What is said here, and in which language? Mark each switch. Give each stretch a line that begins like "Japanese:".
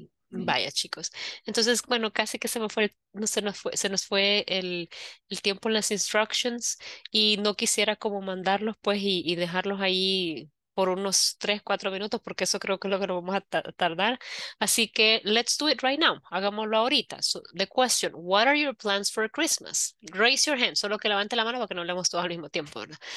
Spanish: Vaya, chicos. Entonces, bueno, casi que se nos fue el tiempo en las instructions y no quisiera como mandarlos, pues, y dejarlos ahí por unos 3-4 minutos, porque eso creo que es lo que nos vamos a tardar. Así que,
English: let's do it right now.
Spanish: Hagámoslo ahorita.
English: So, the question, what are your plans for Christmas? Raise your hand.
Spanish: Solo que levante la mano para que no hablemos todos al mismo tiempo, ¿verdad?